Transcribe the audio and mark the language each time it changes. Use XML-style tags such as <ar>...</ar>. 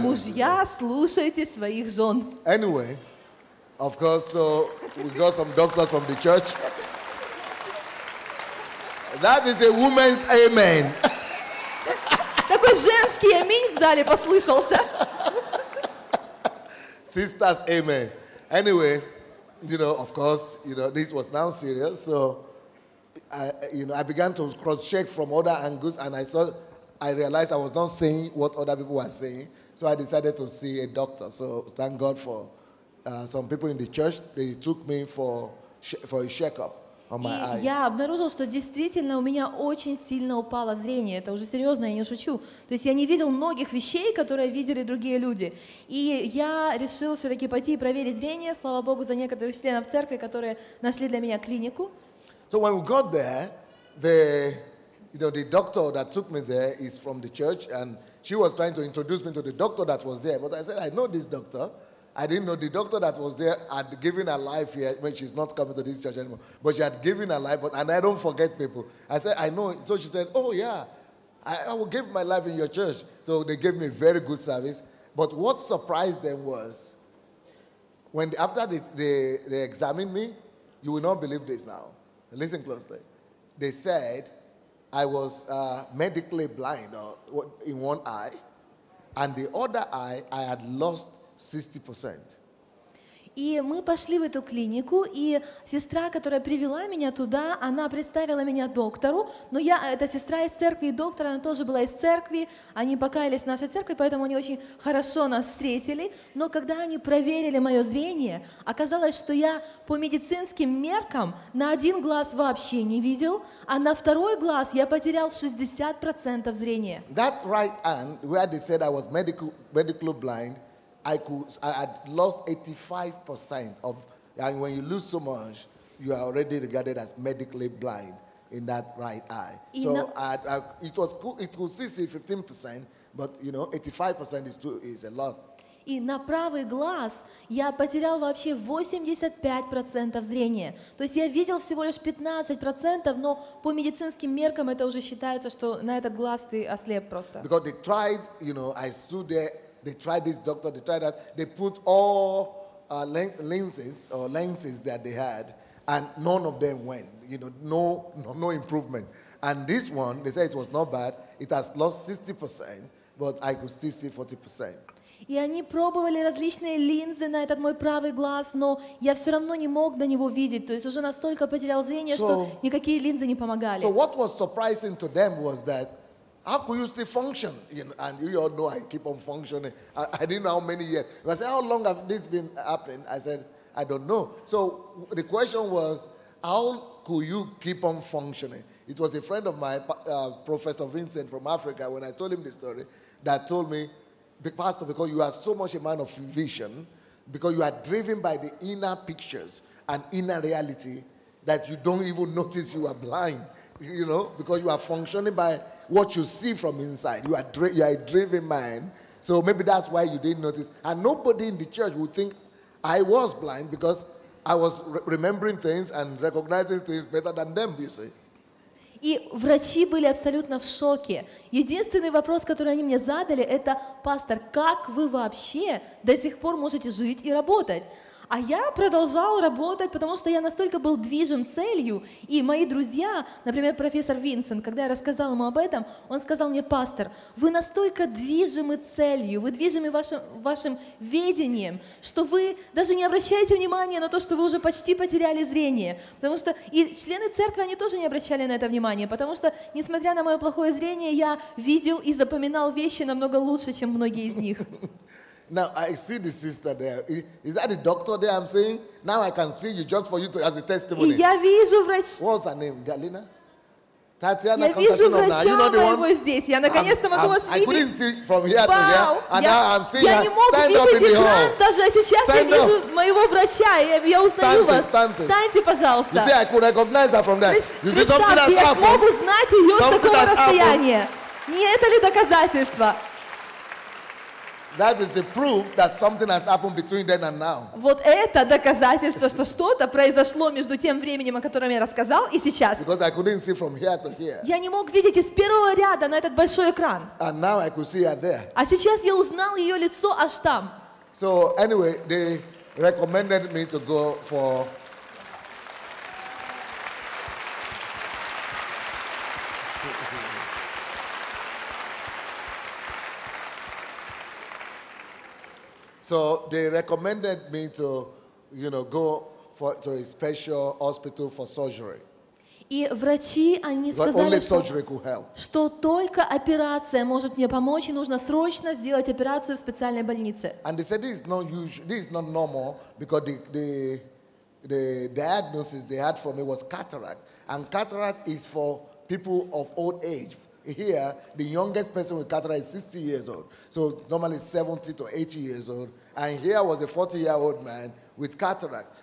<ru>Мужья, слушайте своих жен.</ru> <en>Anyway, of course, so we got some doctors from the church. That is a woman's amen.</en> <ru>Такой женский аминь в зале послышался.</ru> <en>Sisters, amen. Anyway, you know, of course, you know, this was now serious, so I began to cross-check from other angles, and I realized I was not saying what other people were saying, so I decided to see a doctor. So thank God for some people in the church, they took me for a checkup.</en> <ru>И я обнаружил, что действительно у меня очень сильно упало зрение. Это уже серьезно, я не шучу. То есть я не видел многих вещей, которые видели другие люди. И я решил все-таки пойти и проверить зрение. Слава Богу за некоторых членов церкви, которые нашли для меня клинику.</ru> <en>So when we got there, the doctor that took me there is from the church, and she was trying to introduce me to the doctor that was there. But I said, I know this doctor. I didn't know the doctor that was there had given her life here. I mean, she's not coming to this church anymore. But she had given her life. And I don't forget people. I said, I know. So she said, oh, yeah, I will give my life in your church. So they gave me a very good service. But what surprised them was, when after they examined me, you will not believe this now. Listen closely. They said I was medically blind in one eye. And the other eye, I had lost 60%.</en> <ru>И мы пошли в эту клинику, и сестра, которая привела меня туда, она представила меня доктору, но я, эта сестра из церкви, и доктор, она тоже была из церкви, они покаялись в нашей церкви, поэтому они очень хорошо нас встретили, но когда они проверили мое зрение, оказалось, что я по медицинским меркам на один глаз вообще не видел, а на второй глаз я потерял 60% зрения.</ru> <en>That right hand, where they said I was medically blind, I had lost 85% of, and when you lose so much, you are already regarded as medically blind in that right eye. It was cool, it could see 15%, but you know, 85% is a lot.</en> <ru>И на правый глаз я потерял вообще 85% зрения. То есть я видел всего лишь 15%, но по медицинским меркам это уже считается, что на этот глаз ты ослеп просто.</ru> <en>Because they tried, you know, I stood there. They tried this doctor, they tried that. They put all lenses that they had, and none of them went. You know, no improvement. And this one, they said it was not bad. It has lost 60%, but I could still see 40%.</en> <ru>И они пробовали различные линзы на этот мой правый глаз, но я все равно не мог до него видеть. То есть уже настолько потерял зрение, что никакие линзы не помогали.</ru> <en>So what was surprising to them was that how could you still function? You know, and you all know I keep on functioning. I didn't know how many years. But I said, how long have this been happening? I said, I don't know. So the question was, how could you keep on functioning? It was a friend of my Professor Vincent from Africa, when I told him the story, that told me, Pastor, because you are so much a man of vision, because you are driven by the inner pictures and inner reality, that you don't even notice you are blind, you know, because you are functioning by what you see from inside. You are a driven man. So maybe that's why you didn't notice. And nobody in the church would think I was blind because I was remembering things and recognizing things better than them, you see.</en> <ru>И врачи были абсолютно в шоке. Единственный вопрос, который они мне задали, это, пастор, как вы вообще до сих пор можете жить и работать? А я продолжал работать, потому что я настолько был движим целью, и мои друзья, например, профессор Винсент, когда я рассказал ему об этом, он сказал мне, пастор, вы настолько движимы целью, вы движимы вашим видением, что вы даже не обращаете внимания на то, что вы уже почти потеряли зрение, потому что и члены церкви, они тоже не обращали на это внимания, потому что, несмотря на мое плохое зрение, я видел и запоминал вещи намного лучше, чем многие из них.</ru> <en>Now I see the sister there. Is that the doctor there I'm seeing? Now I can see you just for you to, as a testimony.</en> <ru>Я вижу врач.</ru> <en>What's her name? Галина?</en> <ru>Татьяна Константиновна. Я вижу врача моего здесь. Я наконец-то могу вас видеть.</ru> <en>I couldn't see from here to here. And now I'm seeing her. Stand up in the hall.</en> <ru>Даже сейчас я вижу моего врача. Я узнаю вас. Встаньте, пожалуйста.</ru> <en>You see, I could recognize her from that. You see, something has happened.</en> <ru>Я смог узнать ее с такого расстояния. Не это ли доказательство?</ru> <en>That is the proof that something has happened between then and now.</en> <ru>Вот это доказательство, что что-то произошло между тем временем, о котором я рассказал, и сейчас.</ru> <en>Because I couldn't see from here to here.</en> <ru>Я не мог видеть из первого ряда на этот большой экран.</ru> <en>And now I could see her there.</en> <ru>А сейчас я узнал ее лицо аж там.</ru> <en>So anyway, they recommended me to go for So they recommended me to, you know, go for to a special hospital for surgery.</en> <ru>И врачи, они сказали, что только операция может мне помочь, и нужно срочно сделать операцию в специальной больнице.</ru> <en>And they said this is not normal because the diagnosis they had for me was cataract, and cataract is for people of old age. Here, the youngest person with cataract is 60 years old, so normally 70 to 80 years old, and here was a 40-year-old man with cataract.</en>